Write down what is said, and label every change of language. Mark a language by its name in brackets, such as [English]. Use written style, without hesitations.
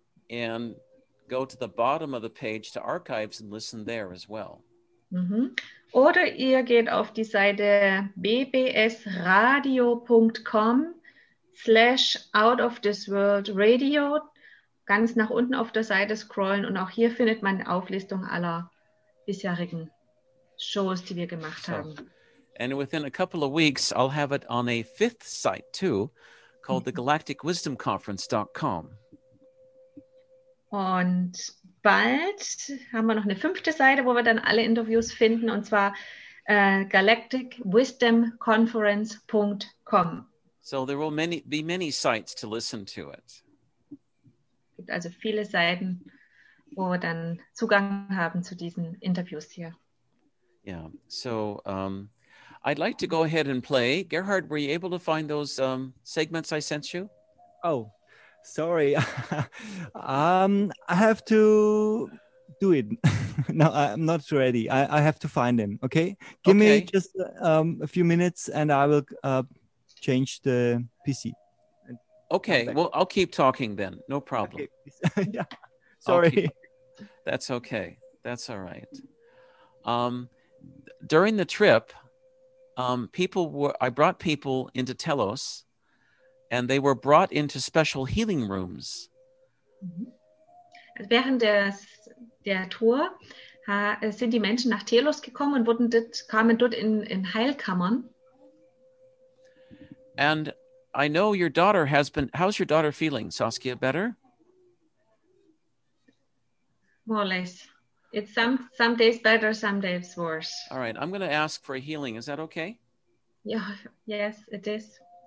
[English] And go to the bottom of the page to archives and listen there as well. Mm-hmm. [German] Oder ihr geht auf die Seite bbsradio.com/outofthisworldradio. Ganz nach unten auf der Seite scrollen und auch hier findet man eine Auflistung aller bisherigen Shows, die wir gemacht haben. [English] And within a couple of weeks, I'll have it on a fifth site too, called thegalacticwisdomconference.com. [German] Und bald haben wir noch eine fünfte Seite, wo wir dann alle Interviews finden, und zwar galacticwisdomconference.com. [English] So there will be many sites to listen to it. [German] Es gibt also viele Seiten, wo wir dann Zugang haben zu diesen Interviews hier. [English] Yeah, so I'd like to go ahead and play. Gerhard, were you able to find those segments I sent you? Oh, sorry. I have to do it. No, I'm not ready. I have to find him. Okay. Give me just a few minutes and I will change the PC. Okay. Well, I'll keep talking then. No problem. Okay. Yeah. Sorry. That's okay. That's all right. During the trip, I brought people into Telos. And they were brought into special healing rooms. Mm-hmm. [German] Während der Tour sind die Menschen nach Telos gekommen und kamen dort in Heilkammern. [English] And I know your daughter has been. How's your daughter feeling, Saskia? Better? More or less. It's some days better, some days worse. All right. I'm going to ask for a healing. Is that okay? Yeah. Yes, it is.